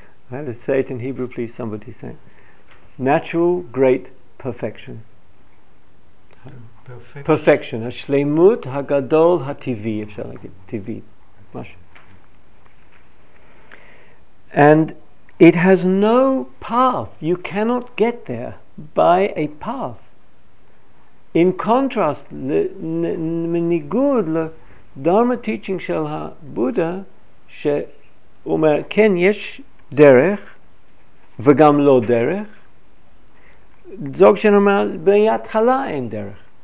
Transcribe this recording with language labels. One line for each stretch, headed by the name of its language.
English: Let's say it in Hebrew, please, somebody say it. Natural great perfection.
Hebrew: perfection, השלימות הגדול הטבעי, אפשר להגיד, טבעי,
English: And it has no path. You cannot get there by a path. In contrast,
Hebrew: בניגוד לדרמה טיצ'ינג של הבודה, שאומר, כן, יש דרך, וגם לא דרך, זוגשן אומר, בהתחלה אין דרך.